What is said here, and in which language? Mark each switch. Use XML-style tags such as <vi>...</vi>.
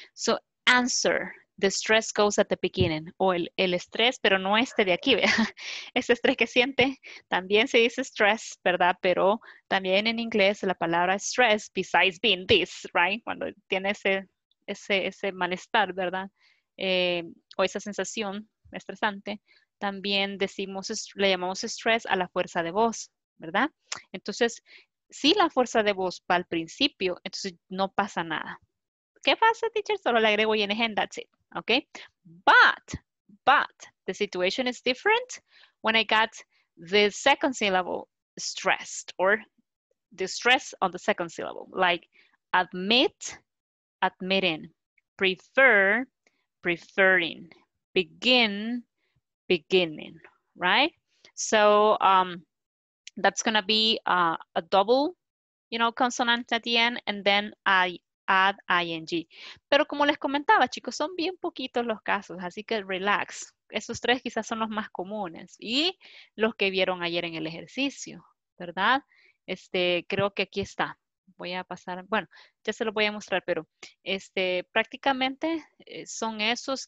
<en>So, answer, the stress goes at the beginning.</en> <es>O el estrés, pero no este de aquí, ¿verdad? Ese estrés que siente, también se dice stress, ¿verdad? Pero también en inglés la palabra stress,</es> <en>besides being this,</en> <es>right? Cuando tiene ese malestar, ¿verdad? O esa sensación estresante, también decimos, le llamamos stress a la fuerza de voz, ¿verdad? Entonces, si la fuerza de voz va al principio, entonces no pasa nada. ¿Qué pasa, teacher? Solo le agrego ing,</es> <en>that's it. Okay, but the situation is different when I got the second syllable stressed or the stress on the second syllable, like admit, admitting, prefer, preferring, begin, beginning, right? So that's gonna be a double, you know, consonant at the end, and then I add ing.</en> <es>Pero como les comentaba, chicos, son bien poquitos los casos, así que relax. Esos tres quizás son los más comunes y los que vieron ayer en el ejercicio, ¿verdad? Creo que aquí está. Voy a pasar, bueno, ya se lo voy a mostrar, pero prácticamente son esos.</es>